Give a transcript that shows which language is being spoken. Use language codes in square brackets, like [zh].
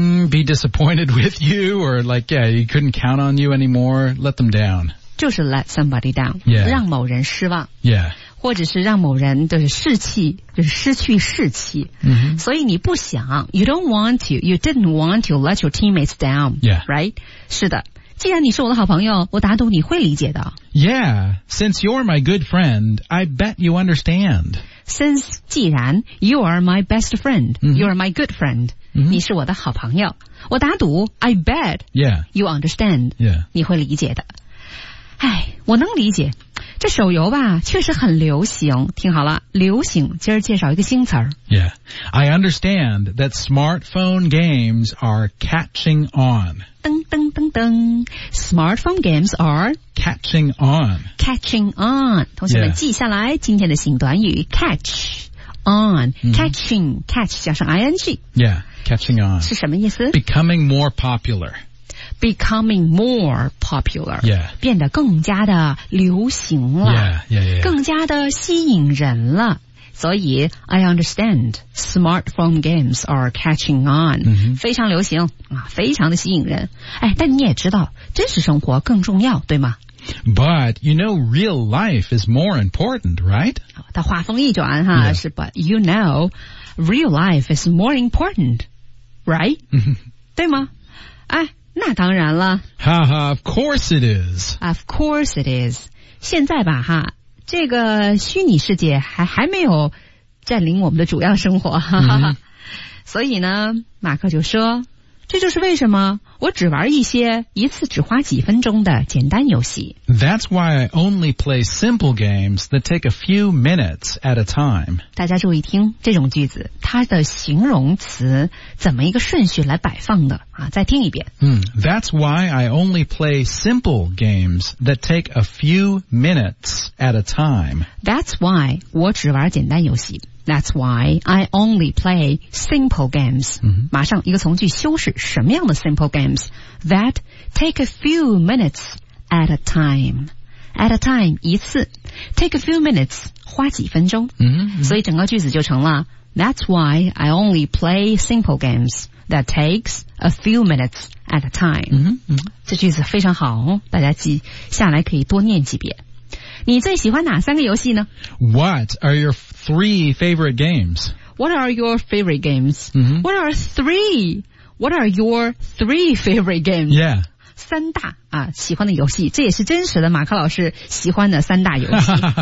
[en] be disappointed with you, or like, yeah, you couldn't count on you anymore. Let them down. [zh] 就是 [en] let somebody down. Yeah. [zh] 让某人失望。 [en] Yeah. [zh] 或者是让某人的士气，就是失去士气。 Mm-hmm. 所以你不想 [en] ,you don't want to, you didn't want to let your teammates down. Yeah. Right? [zh] 是的。既然你是我的好朋友，我打赌你会理解的。 [en] Yeah. Since you're my good friend, I bet you understand. Since, [zh] 既然 [en] you are my best friend,、 mm-hmm. you are my good friend. Mm-hmm. [zh] 你是我的好朋友，我打赌 ， [en] I bet yeah. you understand， yeah. [zh] 你会理解的。哎，我能理解，这手游吧确实很流行。听好了，流行，今儿介绍一个新词儿。 [en] Yeah， I understand that smartphone games are catching on。噔噔噔噔 ，smartphone games are catching on。 Catching on， [zh] 同学们、 [en] yeah. [zh] 记下来今天的新短语 [en] catch。On, catching,、 mm-hmm. [zh] catch 加上 ing. [en] Yeah, catching on. [zh] 是什么意思？ [en] Becoming more popular. Becoming more popular. Yeah. [zh] 变得更加的流行了。 [en] Yeah. [zh] 更加的吸引人了。所以 [en] I understand smartphone games are catching on.、 Mm-hmm. [zh] 非常流行、啊、非常的吸引人。哎，但你也知道真实生活更重要，对吗？ [en] But, you know, real life is more important, right? [zh] 他话锋一转哈、 [en] yeah. 是 But, you know, real life is more important, right? [zh] 对吗？哎，那当然了。 [en] 哈哈 of course it is. Of course it is. [zh] 现在吧哈这个虚拟世界还没有占领我们的主要生活。 mm-hmm. 所以呢马克就说这就是为什么我只玩一些一次只花几分钟的简单游戏。 [en] That's why I only play simple games that take a few minutes at a time. [zh] 大家注意听这种句子，它的形容词怎么一个顺序来摆放的啊？再听一遍。 [en] That's why I only play simple games that take a few minutes at a time. That's why [zh] 我只玩简单游戏。 [en] That's why I only play simple games. [zh] 马上一个从句修饰，什么样的 simple games? [en] That take a few minutes at a time. At a time, [zh] 一次。 [en] Take a few minutes, [zh] 花几分钟。所以整个句子就成了 [en] That's why I only play simple games that takes a few minutes at a time. [zh] 这句子非常好，大家记下来可以多念几遍。你最喜欢哪三个游戏呢? [en] What are your three favorite games? What are your favorite games? What are three? What are your three favorite games? Yeah. [zh] 三大啊，喜欢的游戏，这也是真实的马克老师喜欢的三大游戏。